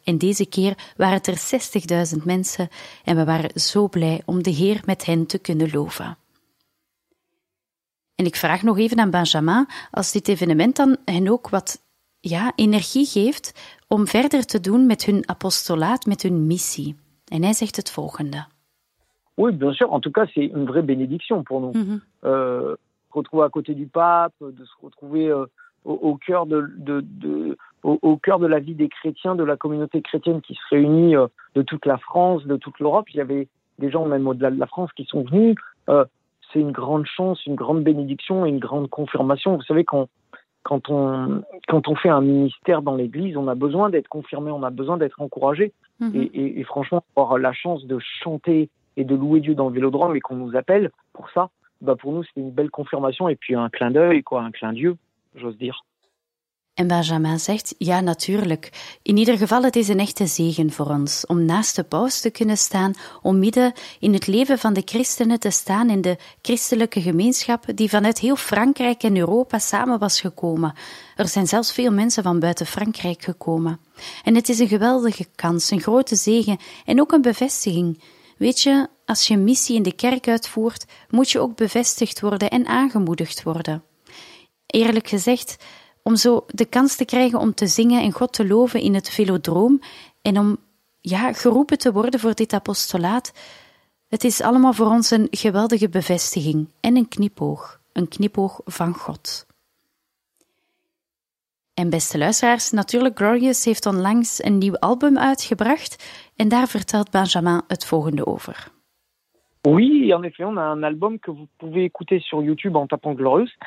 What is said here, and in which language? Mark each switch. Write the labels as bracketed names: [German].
[Dutch] En deze keer waren het er 60.000 mensen en we waren zo blij om de Heer met hen te kunnen loven. En ik vraag nog even aan Benjamin, als dit evenement dan hen ook wat ja, energie geeft om verder te doen met hun apostolaat, met hun missie. En hij zegt het volgende. [French] Oui, bien sûr. En tout cas, c'est une vraie bénédiction pour nous. Retrouver à côté du pape, de se retrouver au cœur de la vie des chrétiens, de la communauté chrétienne qui se réunit de toute la France, de toute l'Europe. Il y avait des gens même au-delà de la France qui sont venus... C'est une grande chance, une grande bénédiction et une grande confirmation. Vous savez, quand on fait un ministère dans l'Église, on a besoin d'être confirmé, on a besoin d'être encouragé. Mm-hmm. Et franchement, avoir la chance de chanter et de louer Dieu dans le Vélodrome et qu'on nous appelle pour ça, bah pour nous, c'est une belle confirmation et puis un clin d'œil, quoi, un clin d'œil, j'ose dire. [Dutch] En Benjamin zegt, ja natuurlijk, in ieder geval het is een echte zegen voor ons om naast de paus te kunnen staan, om midden in het leven van de christenen te staan in de christelijke gemeenschap die vanuit heel Frankrijk en Europa samen was gekomen. Er zijn zelfs veel mensen van buiten Frankrijk gekomen. En het is een geweldige kans, een grote zegen en ook een bevestiging. Weet je, als je een missie in de kerk uitvoert, moet je ook bevestigd worden en aangemoedigd worden. Eerlijk gezegd, om zo de kans te krijgen om te zingen en God te loven in het Velodroom en om ja, geroepen te worden voor dit apostolaat, het is allemaal voor ons een geweldige bevestiging en een knipoog van God. En beste luisteraars, natuurlijk Glorious heeft onlangs een nieuw album uitgebracht en daar vertelt Benjamin het volgende over. [French] Oui, en effet, on a un album que vous pouvez écouter sur YouTube en tapant Glorious.